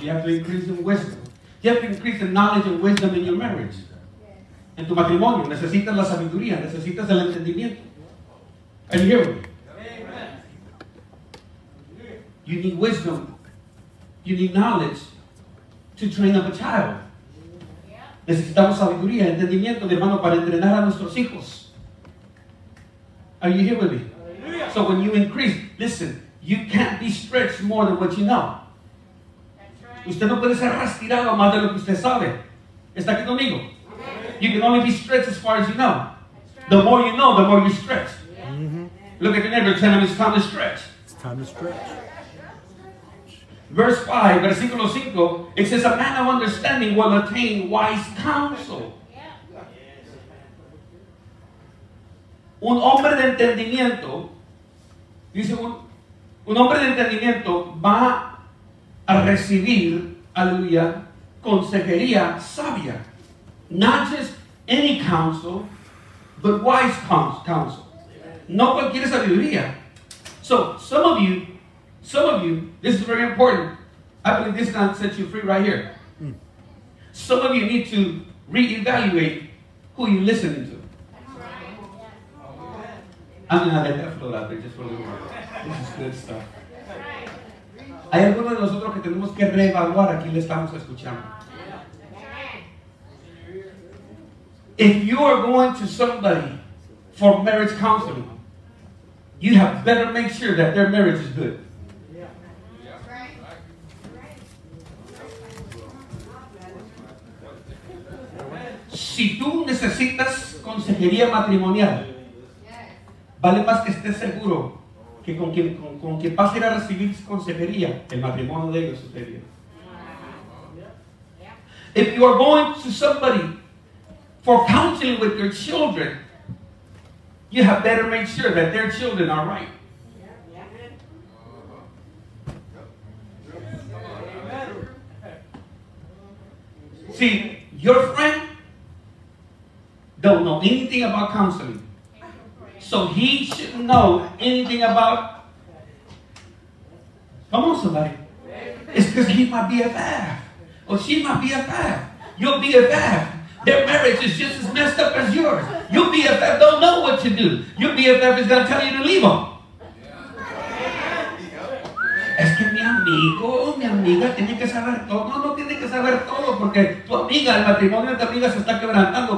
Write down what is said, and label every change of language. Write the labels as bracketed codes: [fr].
[en] You have to increase the wisdom. You have to increase the knowledge and wisdom in your marriage. [es] En tu matrimonio necesitas la sabiduría, necesitas el entendimiento. [en] Are you here with me? You need wisdom. You need knowledge to train up a child. Yeah. [es] Necesitamos sabiduría, entendimiento, de hermano, para entrenar a nuestros hijos. [en] Are you here with me? Hallelujah. So when you increase, listen, you can't be stretched more than what you know. That's right. [es] Usted no puede ser rastirado más de lo que usted sabe. ¿Está aquí conmigo? [en] Amen. You can only be stretched as far as you know. Right. The more you know, the more you stretch. Yeah. Mm-hmm. Look at your neighbor, tell him it's time to stretch. It's time to stretch. Verse 5, versículo 5, it says, a man of understanding will attain wise counsel. Yeah. [es] Un hombre de entendimiento, dice, un hombre de entendimiento va a recibir, aleluya, consejería sabia. [en] Not just any counsel, but wise counsel. [es] No cualquier sabiduría. [en] So, some of you, this is very important. I believe this is going to set you free right here. Mm. Some of you need to reevaluate who you're listening to. That's right. Yeah. I'm going to float out there just for a little while. This is good stuff. Right. [es] Hay algunos de nosotros que tenemos que reevaluar a quién le estamos escuchando. [en] Yeah. If you are going to somebody for marriage counseling, you have better make sure that their marriage is good. [es] Si tú necesitas consejería matrimonial, vale más que estés seguro que con quien vas a ir a recibir consejería, el matrimonio de ellos sucedió. [en] If you are going to somebody for counseling with your children, you have better make sure that their children are right. See, your friend don't know anything about counseling. So he shouldn't know anything about... Come on, somebody. It's because he might be a BFF. Or she might be a BFF. You'll be a BFF. Their marriage is just as messed up as yours. Your BFF don't know what to do. Your BFF is going to tell you to leave them. [es] Es que mi amigo, mi amiga, tiene que saber todo. No, no tiene que saber todo, porque tu amiga, el matrimonio de tu amiga se está quebrantando.